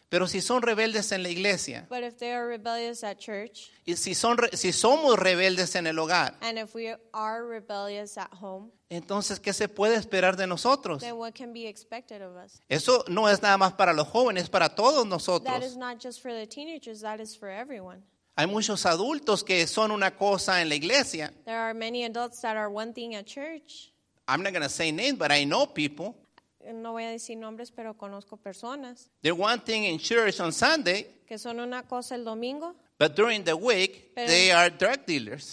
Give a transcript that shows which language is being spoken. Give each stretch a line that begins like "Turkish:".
Spanish: Pero si son rebeldes en la iglesia.
English: But if they are rebellious at church.
Spanish: Y si somos rebeldes en el hogar.
English: And if we are rebellious at home.
Spanish: Entonces, ¿qué se puede esperar de nosotros?
English: Then what can be expected of us?
Spanish: Eso no es nada más para los jóvenes, es para todos nosotros.
English: That is not just for the teenagers, that is for everyone.
Spanish: Hay muchos adultos que son una cosa en la iglesia.
English: There are many adults that are one thing at church. I'm not going to say names, but I know people.
Spanish: No voy a decir nombres, pero conozco personas.
English: They're one thing in church on Sunday.
Spanish: Que son una cosa el domingo.
English: But during the week, they are drug dealers.